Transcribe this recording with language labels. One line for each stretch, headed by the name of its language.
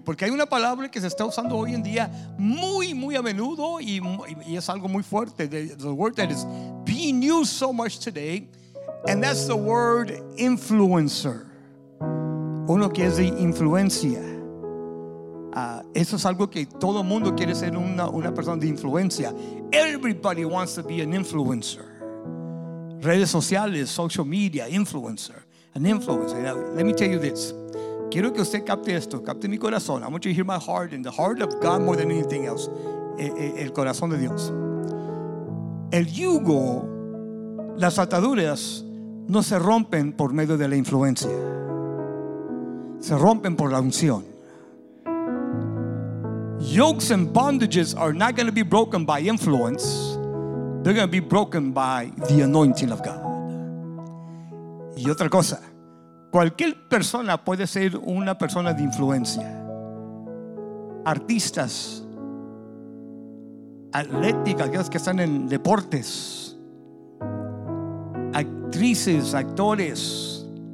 Spanish: Porque hay una palabra que se está usando hoy en día muy, muy a menudo y es algo muy fuerte.
English: The word that is being used so much today, and that's the word influencer.
Spanish: Uno que es de influencia. Eso es algo que todo mundo quiere ser una persona de influencia.
English: Everybody wants to be an influencer.
Spanish: Redes sociales,
English: social media, influencer. An influencer. Now, let me tell you this.
Spanish: Quiero que usted capte esto, capte mi corazón.
English: I want you to hear my heart and the heart of God more than anything else.
Spanish: El corazón de Dios. El yugo, las ataduras, no se rompen por medio de la influencia. Se rompen por la unción.
English: Yokes and bondages are not going to be broken by influence. They're going to be broken by the anointing of God.
Spanish: Y otra cosa, cualquier persona puede ser una persona de influencia. Artistas, atléticas, aquellos que están en deportes, actrices, actores.